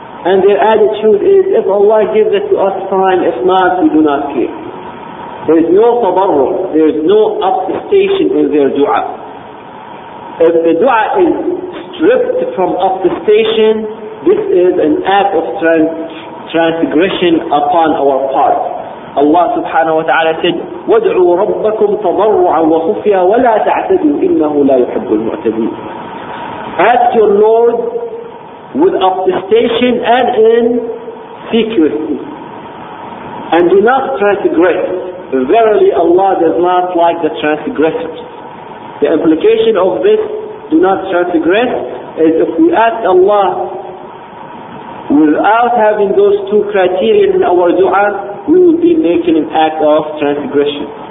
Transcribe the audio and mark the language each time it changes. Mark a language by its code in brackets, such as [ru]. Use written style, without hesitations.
[en] And their attitude is, if Allah gives it to us, fine. If not, we do not care. There is no tabarru', there is no obfuscation in their dua. If the dua is stripped from obfuscation, this is an act of transgression upon our part. Allah subhanahu wa ta'ala said, [ar] وَادْعُوا رَبَّكُمْ تَضَرُّعًا وَخُفْيًا وَلَا تَعْتَدُوا إِنَّهُ لَا يُحِبُّ الْمُعْتَدِينَ. [en] Ask your Lord with obfuscation and in secrecy. And do not transgress. Verily Allah does not like the transgressors. The implication of this, do not transgress, is if we ask Allah without having those two criteria in our dua, we will be making an act of transgression.